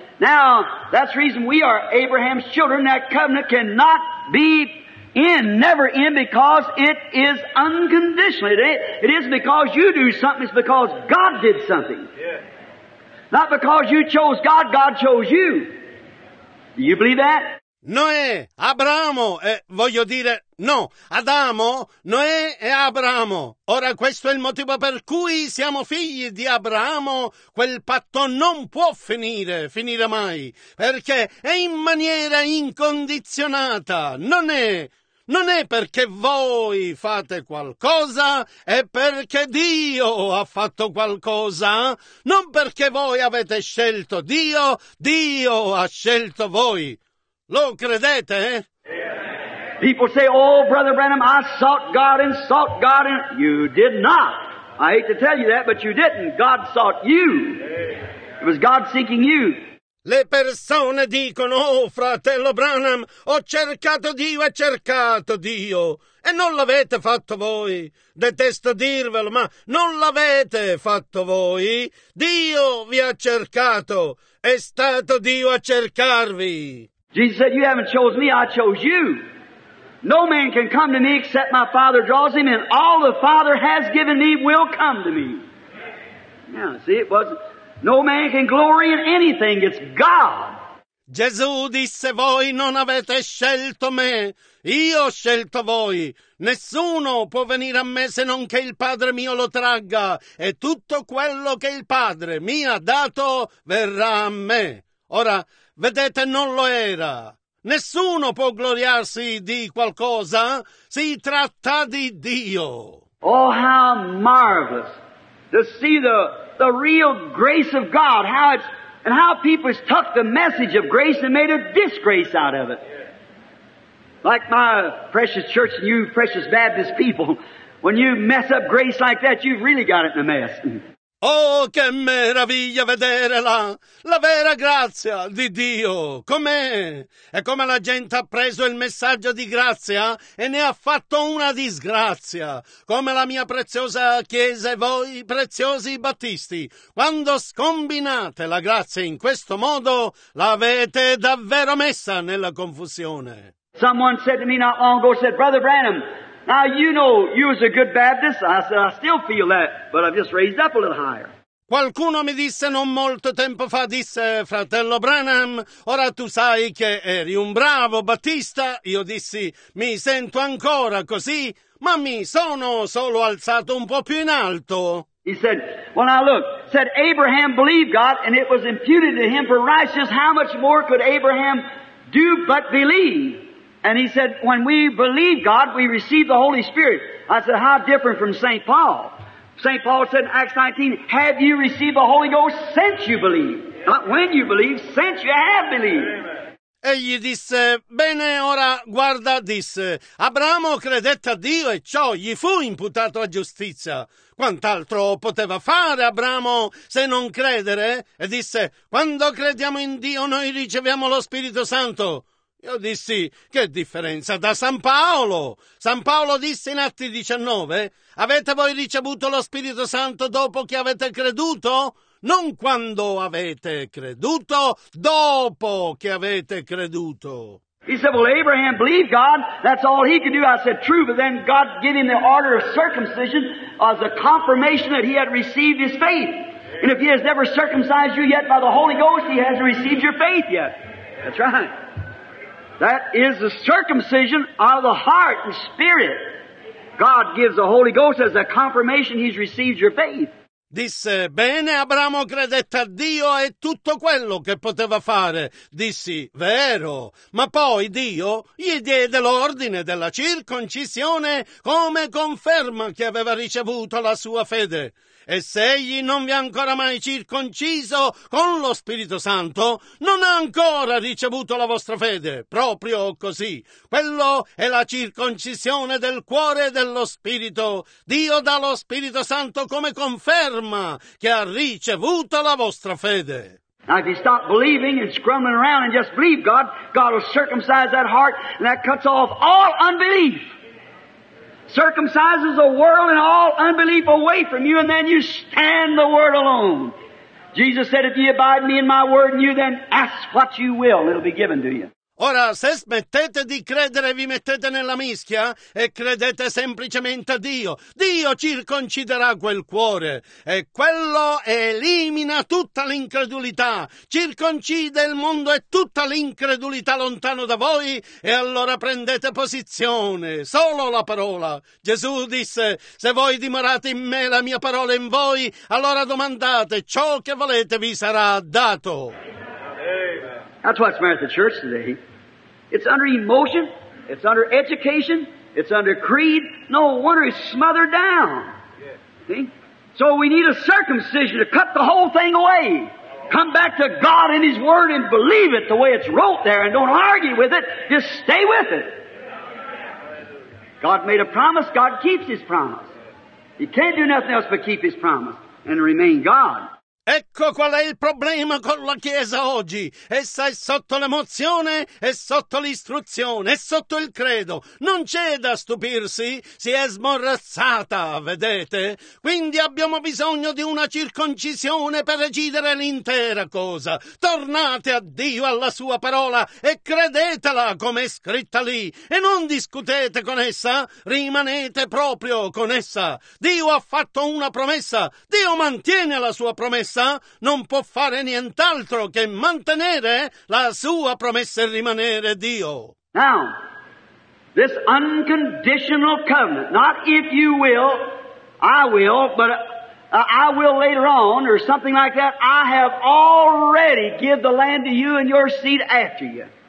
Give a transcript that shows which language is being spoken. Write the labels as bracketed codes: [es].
[en] Now, that's the reason we are Abraham's children. That covenant cannot be in, never in, because it is unconditional. It isn't because you do something, it's because God did something. Yeah. Not because you chose God, God chose you. Do you believe that? [it] Noè, Abramo, voglio dire, no, Adamo, Noè e Abramo. Ora questo è il motivo per cui siamo figli di Abramo. Quel patto non può finire mai, perché è in maniera incondizionata. Non è perché voi fate qualcosa, è perché Dio ha fatto qualcosa. Non perché voi avete scelto Dio, Dio ha scelto voi. Lo credete, eh? [en] People say, oh, Brother Branham, I sought God, and you did not. I hate to tell you that, but you didn't. God sought you. It was God seeking you. [it] Le persone dicono, oh, fratello Branham, ho cercato Dio, e non l'avete fatto voi. Detesto dirvelo, ma non l'avete fatto voi. Dio vi ha cercato, è stato Dio a cercarvi. [en] Jesus said, you haven't chosen me, I chose you. No man can come to me except my Father draws him, and all the Father has given me will come to me. Now, see, it wasn't. No man can glory in anything. It's God. [it] Gesù disse: voi non avete scelto me, io ho scelto voi. Nessuno può venire a me se non che il Padre mio lo tragga, e tutto quello che il Padre mi ha dato verrà a me. Ora, vedete, non lo era. Nessuno può gloriarsi di qualcosa, si tratta di Dio. [en] Oh, how marvelous to see the real grace of God, how it's... And how people have took the message of grace and made a disgrace out of it. Like my precious church and you precious Baptist people, when you mess up grace like that, you've really got it in a mess. [it] Oh, che meraviglia vedere la vera grazia di Dio. Com'è? E come la gente ha preso il messaggio di grazia e ne ha fatto una disgrazia. Come la mia preziosa chiesa e voi, preziosi battisti, quando scombinate la grazia in questo modo, l'avete davvero messa nella confusione. [en] Someone said to me not long ago, said, Brother Branham, now, you know, you was a good Baptist. I said, I still feel that, but I've just raised up a little higher. [it] Qualcuno mi disse non molto tempo fa, disse, fratello Branham, ora tu sai che eri un bravo battista. Io dissi, mi sento ancora così, ma mi sono solo alzato un po' più in alto. [en] He said, well, now look, said, Abraham believed God, and it was imputed to him for righteousness. How much more could Abraham do but believe? And he said, when we believe God, we receive the Holy Spirit. I said, how different from St. Paul? St. Paul said in Acts 19, have you received the Holy Ghost since you believe? Not when you believe, since you have believed. [it] Egli disse, bene, ora guarda, disse, Abramo credette a Dio e ciò gli fu imputato a giustizia. Quant'altro poteva fare Abramo se non credere? E disse, quando crediamo in Dio noi riceviamo lo Spirito Santo. Io dissi, che differenza da San Paolo? San Paolo disse in Atti 19, avete voi ricevuto lo Spirito Santo dopo che avete creduto? Non quando avete creduto, dopo che avete creduto. [en] He said, well, Abraham believed God, that's all he could do. I said, true, but then God gave him the order of circumcision as a confirmation that he had received his faith. And if he has never circumcised you yet by the Holy Ghost, he hasn't received your faith yet. That's right. That is the circumcision of the heart and spirit. God gives the Holy Ghost as a confirmation he's received your faith. [it] Disse, bene, Abramo credette a Dio e tutto quello che poteva fare. Dissi, vero. Ma poi Dio gli diede l'ordine della circoncisione come conferma che aveva ricevuto la sua fede. E se egli non vi ha ancora mai circonciso con lo Spirito Santo, non ha ancora ricevuto la vostra fede, proprio così. Quello è la circoncisione del cuore e dello Spirito. Dio dà lo Spirito Santo come conferma che ha ricevuto la vostra fede. [en] Now if you stop believing and scrambling around and just believe God, God will circumcise that heart and that cuts off all unbelief. Circumcises the world and all unbelief away from you, and then you stand the word alone. Jesus said, if ye abide me in my word and you, then ask what you will, it'll be given to you. [it] Ora, se smettete di credere e vi mettete nella mischia e credete semplicemente a Dio, Dio circonciderà quel cuore e quello elimina tutta l'incredulità. Circoncide il mondo e tutta l'incredulità lontano da voi e allora prendete posizione. Solo la parola. Gesù disse, se voi dimorate in me, la mia parola in voi, allora domandate, ciò che volete vi sarà dato. [en] That's what's meant at the church today. It's under emotion, it's under education, it's under creed. No wonder it's smothered down. See? So we need a circumcision to cut the whole thing away. Come back to God and His Word and believe it the way it's wrote there and don't argue with it. Just stay with it. God made a promise, God keeps His promise. He can't do nothing else but keep His promise and remain God. [it] Ecco qual è il problema con la Chiesa oggi. Essa è sotto l'emozione, è sotto l'istruzione, è sotto il credo. Non c'è da stupirsi, si è smorazzata, vedete? Quindi abbiamo bisogno di una circoncisione per decidere l'intera cosa. Tornate a Dio, alla sua parola, e credetela come è scritta lì. E non discutete con essa, rimanete proprio con essa. Dio ha fatto una promessa, Dio mantiene la sua promessa. Non può fare nient'altro che mantenere la sua promessa e rimanere Dio. [en] Now, this unconditional covenant, not if you will, I will, but I will later on, or something like that, I have already given the land to you and your seed after you.